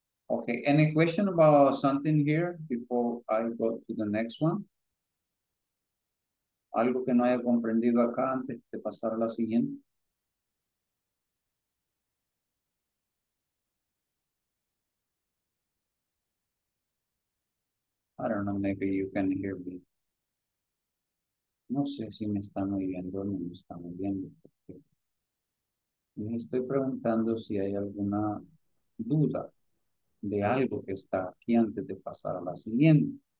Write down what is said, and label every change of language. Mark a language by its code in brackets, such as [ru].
[en] Okay, any question about something here before I go to the next one? [es] Algo que no haya comprendido acá antes de pasar a la siguiente? [en] I don't know, maybe you can hear me. [es] No sé si me están oyendo o no me están oyendo. Les estoy preguntando si hay alguna duda de algo que está aquí antes de pasar a la siguiente.